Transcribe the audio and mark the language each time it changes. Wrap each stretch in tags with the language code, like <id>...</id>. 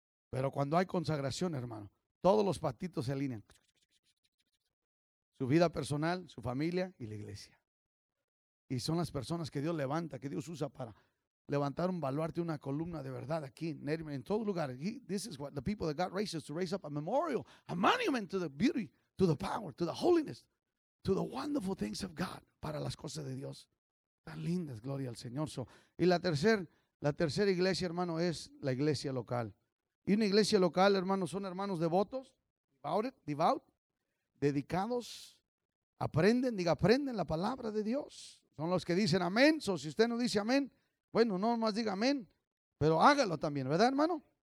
<es>Pero cuando hay consagración, hermano, todos los patitos se alinean. Su vida personal, su familia y la iglesia. Y son las personas que Dios levanta, que Dios usa para levantar un baluarte, una columna de verdad aquí, en todo lugar.</es> <en>This is what the people that God raises, to raise up a memorial, a monument to the beauty, to the power, to the holiness, to the wonderful things of God,</en> <es>para las cosas de Dios. Tan lindas, gloria al Señor. So, y la tercera iglesia, hermano, es la iglesia local. Y una iglesia local, hermanos, son hermanos devotos, devout, dedicados, aprenden la palabra de Dios. Son los que dicen amén. O so, si usted no dice amén, bueno, no más diga amén, pero hágalo también, ¿verdad, hermano?</es>